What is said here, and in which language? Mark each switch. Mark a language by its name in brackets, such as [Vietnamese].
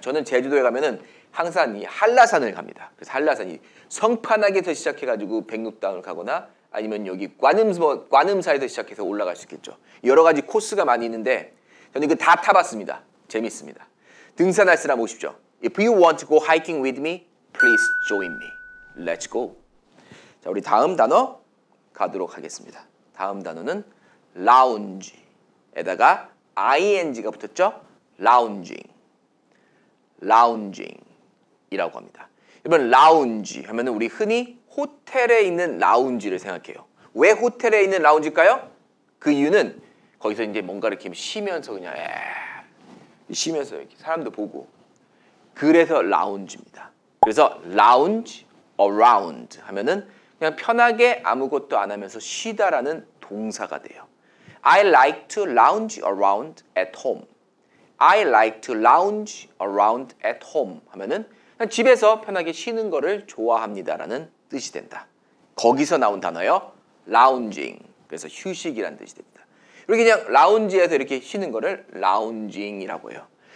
[Korean] 저는 제주도에 가면은 항상 이 한라산을 갑니다. 그래서 한라산이 성판악에서 시작해 가지고 백록담을 가거나 아니면 여기 관음사에서 시작해서 올라갈 수 있겠죠. 여러 가지 코스가 많이 있는데 저는 그 다 타봤습니다. 재밌습니다. 등산할 사람 오십시오. [English] If you want to go hiking with me, please join me. Let's go. [Korean] 자, 우리 다음 단어 가도록 하겠습니다. 다음 단어는 lounge에다가 ing가 붙었죠? lounging. lounging 이라고 합니다. 이번 lounge 하면 우리 흔히 호텔에 있는 라운지를 생각해요. 왜 호텔에 있는 라운지일까요? 그 이유는 거기서 이제 뭔가를 이렇게 쉬면서 그냥 쉬면서 이렇게 사람도 보고 그래서 라운지입니다. 그래서 lounge around 하면은 그냥 편하게 아무것도 안 하면서 쉬다라는 동사가 돼요. [English] I like to lounge around at home. I like to lounge around at home [Korean] 하면은 그냥 집에서 편하게 쉬는 거를 좋아합니다라는 뜻이 된다. 거기서 나온 단어요. lounging. 그래서 휴식이란 뜻이 됩니다. 이렇게 그냥 라운지에서 이렇게 쉬는 거를 lounging이라고 해요.